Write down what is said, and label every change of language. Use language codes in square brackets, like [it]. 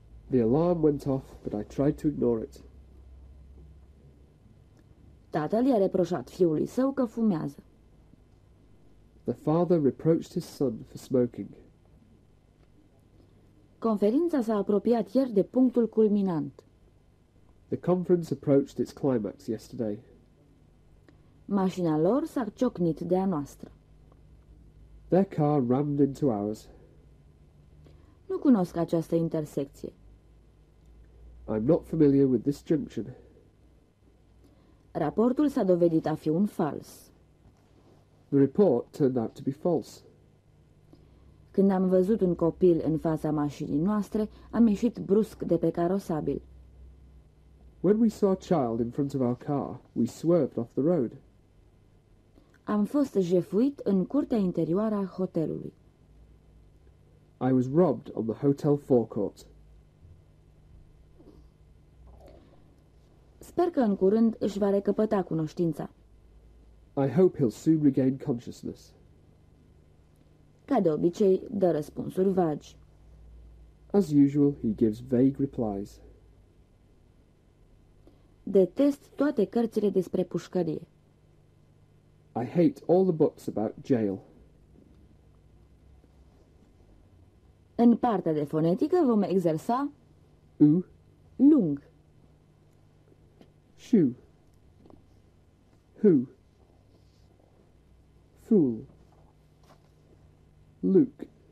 [en] The alarm went off, but I tried to ignore it. [ro] Tatăl i-a reproșat fiului său că fumează. [en] The father reproached his son for smoking. [ro] Conferința s-a apropiat ieri de punctul culminant. [en] The conference approached its climax yesterday. [ro] Mașina lor s-a ciocnit de a noastră. [en] Their car rammed into ours. [ro] Nu cunosc această intersecție. [en] I'm not familiar with this junction. [ro] Raportul s-a dovedit a fi un fals. [en] The report turned out to be false. [ro] Când am văzut un copil în fața mașinii noastre, am ieșit brusc de pe carosabil. [en] When we saw a child in front of our car, we swerved off the road. [ro] Am fost jefuit în curtea interioară a hotelului. [en] I was robbed on the hotel forecourt. [ro] Sper că în curând își va recăpăta cunoștința. [en] I hope he'll soon regain consciousness. [ro] Ca de obicei, dă răspunsuri vagi. [en] As usual, he gives vague replies. [ro] Detest toate cărțile despre pușcărie. [en] I hate all the books about jail. [ro] În partea de fonetică vom exersa U lung. [en] Shoe. Who. Fool. Luke.